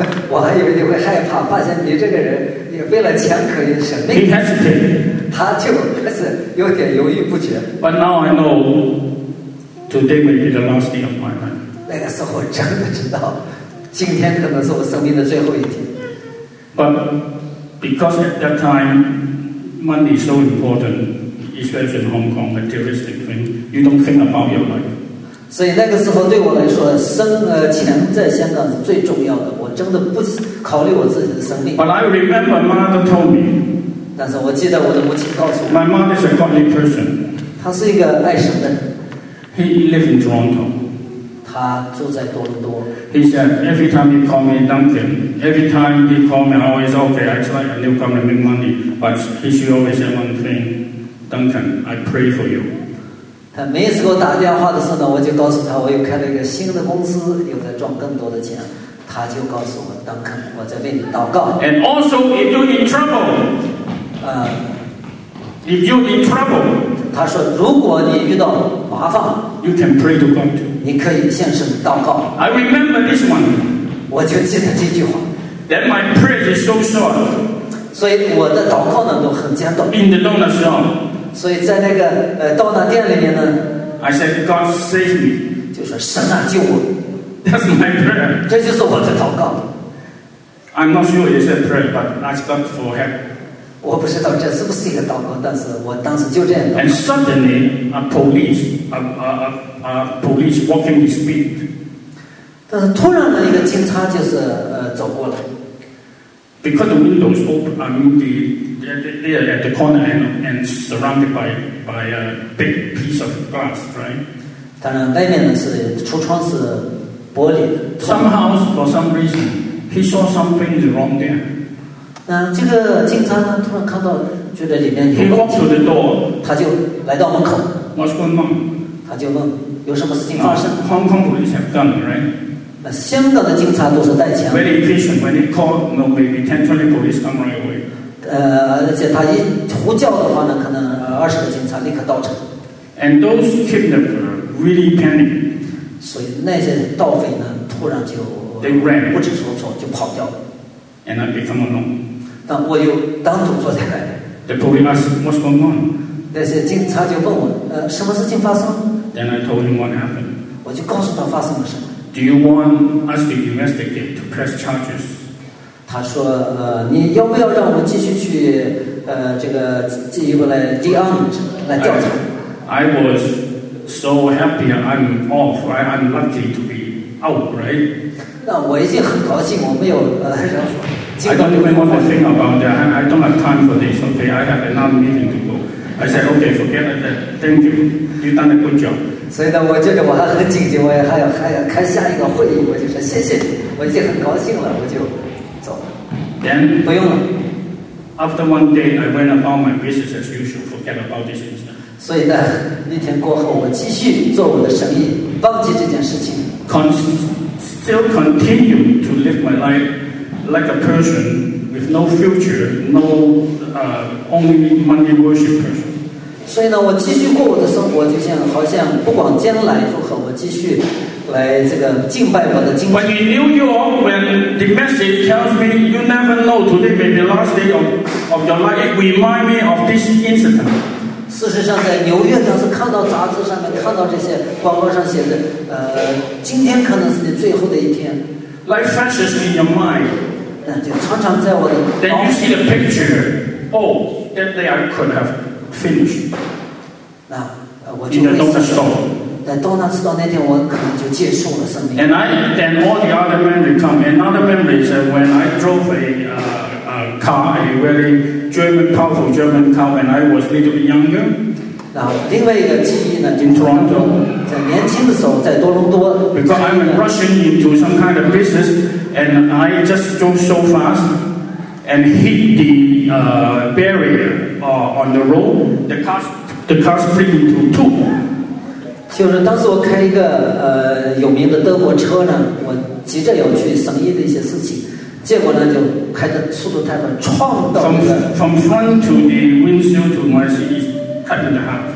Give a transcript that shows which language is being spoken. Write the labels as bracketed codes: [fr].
[zh] 我还以为你会害怕，发现你这个人也为了钱可以省命。 [en] He hesitated. [zh] 他就开始有点犹豫不决。 [en] But now I know. Today may be the last day of my life. [zh] 那个时候真的知道，今天可能是我生命的最后一天。 [en] But because at that time money is so important, especially in Hong Kong, materialistic thing, you don't think about your life. [zh] 所以那个时候对我来说，钱在香港是最重要的，我真的不考虑我自己的生命。 [en] But I remember mother told me. [zh] 但是我记得我的母亲告诉我。 [en] My mother is a godly person. [zh] 她是一个爱神的人。 [en] He lives in Toronto. [zh] 他住在多伦多。 [en] He said every time he called me Duncan, every time he called me, I always okay. I try and he'll come and make money, but he should always say one thing, Duncan, I pray for you. [zh] 他每次给我打电话的时候呢，我就告诉他我又开了一个新的公司，又在赚更多的钱。他就告诉我 Duncan, 我在为你祷告。 [en] And also, if you're in trouble, if you're in trouble. [zh] 他说如果你遇到麻烦。 [en] You can pray to God. [zh] 你可以献身祷告。 [en] I remember this one. [zh] 我就记得这句话。 [en] That my prayer is so short. [zh] 所以我的祷告呢都很简短。 [en] In the donut shop. [zh] 所以在那个donut店里面呢。 [en] I said God save me. [zh] 就说神啊救我。 [en] That's my prayer. [zh] 这就是我的祷告。 [en] I'm not sure it's a prayer, but ask God for help. [zh] 我不知道这是不是一个祷告，但是我当时就这样祷告。 [en] And suddenly a police. Police walking his beat. [zh] 但是突然的一个警察就是走过来。 [en] Because the windows open, they are at the corner and surrounded by a big piece of glass, right? [zh] 当然，外面呢是橱窗是玻璃的。 [en] Somehow for some reason, he saw something is wrong there. [zh] 那这个警察呢突然看到，觉得里面有。 [en] He walked to the door. [zh] 他就来到门口。 [en] What's going on? [zh] 他就问有什么事情发生。 [en] Hong Kong police have gun, right? [zh] 香港的警察都是带枪。 [en] Very efficient when they call, no, maybe 10-20 police come right away. [zh] 而且他一呼叫的话呢，可能20个警察立刻到场。 [en] And those kidnappers really panic. [zh] 所以那些盗匪呢，突然就 [en] they ran, [zh] 不知所措就跑掉了。 [en] And I become alone. [zh] 但我又单独坐在那里。 [en] The police ask, what's going on? [zh] 那些警察就问我，什么事情发生 [en] ？Then I told him what happened. [zh] 我就告诉他发生了什么。 [en] Do you want us to investigate to press charges? [zh] 他说，你要不要让我继续去，这个进一步来立案，来调查 [en] ？I was so happy. I'm off. Right? I'm lucky to be out. Right? [zh] 那我已经很高兴，我没有 [en] I don't even want to think about that. I don't have time for this. Okay, I have another meeting to go. I said, okay, forget that. Thank you. You've done a good job. [zh] 所以呢，我觉得我还很紧急，我也还要开下一个会议。我就说谢谢，我已经很高兴了，我就走了。 [en] Then [zh] 不用了。 [en] After one day, I went about my business as usual, forget about this incident. [zh] 所以呢，那天过后，我继续做我的生意，忘记这件事情。 [en] Still continue to live my life like a person. With no future, no only money worship person. [zh] 所以呢，我继续过我的生活，就像好像不管将来如何，我继续来这个敬拜我的敬拜。 [en] When in New York, when the message tells me you never know today may be the last day of your life, it remind me of this incident. [zh] 事实上，在纽约当时看到杂志上面看到这些广告上写的，今天可能是你最后的一天。 [en] Life flashes in your mind. [zh] 那就常常在我的。 [en] Then you see the picture. Oh, that day I could have finished. [zh] 那我就。 [en] In the donut store. [zh] 在 [en] donut store [zh] 那天，我可能就结束了生命。 [en] And all the other memories come. Another memory is when I drove a car, a very German, powerful German car, when I was little younger. [zh] 那另外一个记忆呢，就是 [en] Toronto. [zh] 在年轻的时候，在多伦多。 [en] Because I'm rushing into some kind of business, and I just drove so fast and hit the barrier on the road. The car split into two. [zh] 就是当时我开一个有名的德国车呢，我急着要去审议的一些事情，结果呢就开的速度太快，撞到这个。 [en] From front to the windshield to my seat, cut in half.